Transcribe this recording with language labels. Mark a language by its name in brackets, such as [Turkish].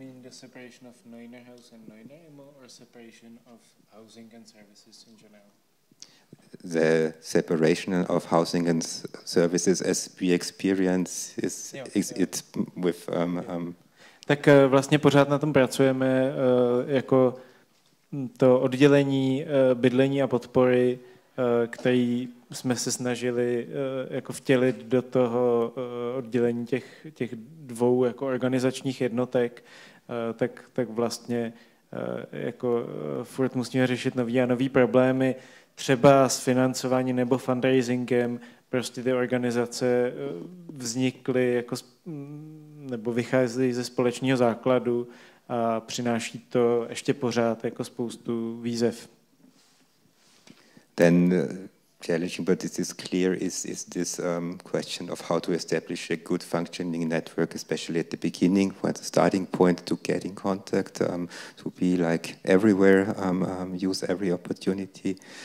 [English] separation of Neuner Haus and Neuner Immo, or separation of housing and services in general? The separation of housing and services as we experience is with... [Czech] Tak vlastně pořád na tom pracujeme, jako to oddělení bydlení a podpory, který jsme se snažili jako vtělit do toho oddělení těch dvou jako organizačních jednotek, tak vlastně jako furt musíme řešit nový a nový problémy, třeba s financováním nebo fundraisingem, prostě ty organizace vznikly jako nebo vycházely ze společného základu a přináší to ještě pořád jako spoustu výzev. [English] Then challenging, but this is clear, is this question of how to establish a good functioning network, especially at the beginning, when the starting point to get in contact, to be like everywhere, use every opportunity.